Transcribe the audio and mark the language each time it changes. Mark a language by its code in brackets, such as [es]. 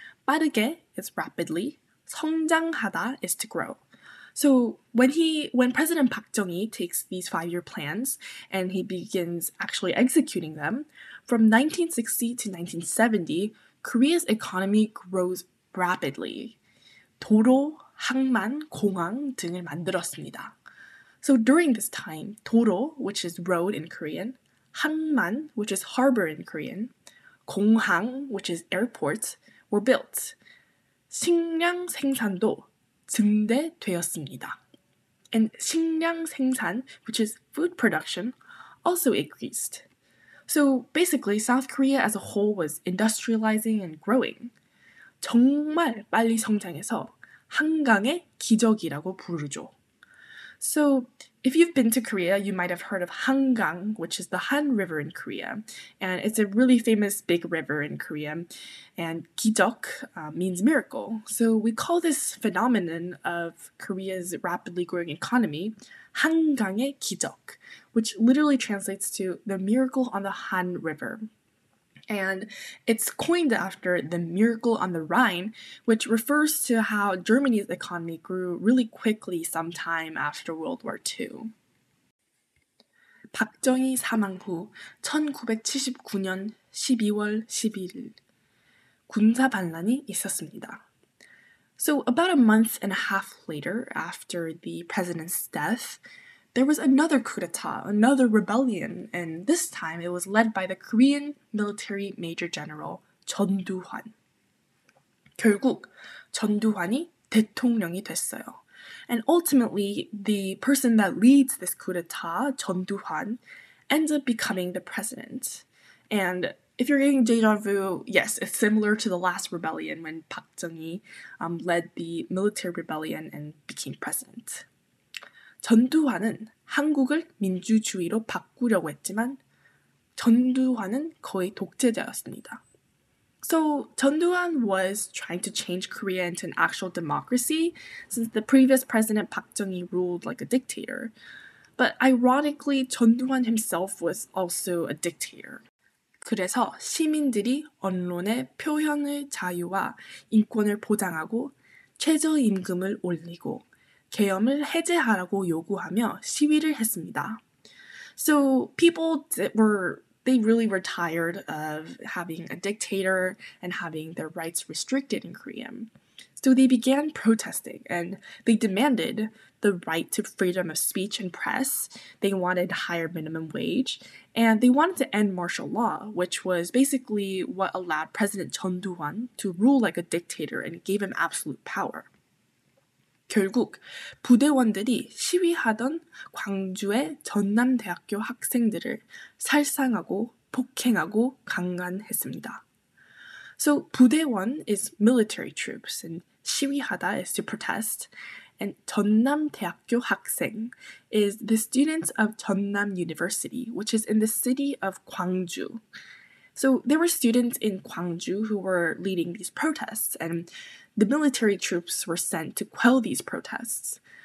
[en] 빠르게 is rapidly. 성장하다 is to grow. So when President Park Chung-hee takes these 5-year plans and he begins actually executing them, from 1960 to 1970, Korea's economy grows rapidly. [ko] 도로, 항만, 공항 등을 만들었습니다. [en] So during this time, 도로, which is road in Korean, 항만, which is harbor in Korean, 공항, which is airport, were built. [ko] 식량 생산도 증대되었습니다. [en] And 식량 생산, which is food production, also increased. So basically, South Korea as a whole was industrializing and growing. [ko] 정말 빨리 성장해서 한강의 기적이라고 부르죠. [en] So, if you've been to Korea, you might have heard of Hangang, which is the Han River in Korea. And it's a really famous big river in Korea. And 기적 means miracle. So, we call this phenomenon of Korea's rapidly growing economy 한강의 기적, which literally translates to the miracle on the Han River. And it's coined after the Miracle on the Rhine, which refers to how Germany's economy grew really quickly sometime after World War II. [ko] 박정희 사망 후 1979년 12월 11일 군사 반란이 있었습니다. [en] So about a month and a half later, after the president's death, there was another coup d'etat, another rebellion, and this time it was led by the Korean military major general, 전두환. [ko] 결국, 전두환이 대통령이 됐어요. [en] And ultimately, the person that leads this coup d'etat, 전두환, ends up becoming the president. And if you're getting deja vu, yes, it's similar to the last rebellion when Park Chung-hee led the military rebellion and became president. [ko] 전두환은 한국을 민주주의로 바꾸려고 했지만 전두환은 거의 독재자였습니다. [en] So 전두환 was trying to change Korea into an actual democracy since the previous president Park Chung-hee ruled like a dictator. But ironically, 전두환 himself was also a dictator. [ko] 그래서 시민들이 언론의 표현의 자유와 인권을 보장하고 최저임금을 올리고 계엄을 해제하라고 요구하며 시위를 했습니다. [en] So people were tired of having a dictator and having their rights restricted in Korea. So they began protesting and they demanded the right to freedom of speech and press. They wanted higher minimum wage and they wanted to end martial law, which was basically what allowed President 전두환 to rule like a dictator and gave him absolute power. [ko] 결국 부대원들이 시위하던 광주의 전남대학교 학생들을 살상하고 폭행하고 강간했습니다. [en] So 부대원 is military troops and 시위하다 is to protest. And 전남대학교 학생 is the students of 전남 University, which is in the city of 광주. So there were students in 광주 who were leading these protests, and the military troops were sent to quell these protests.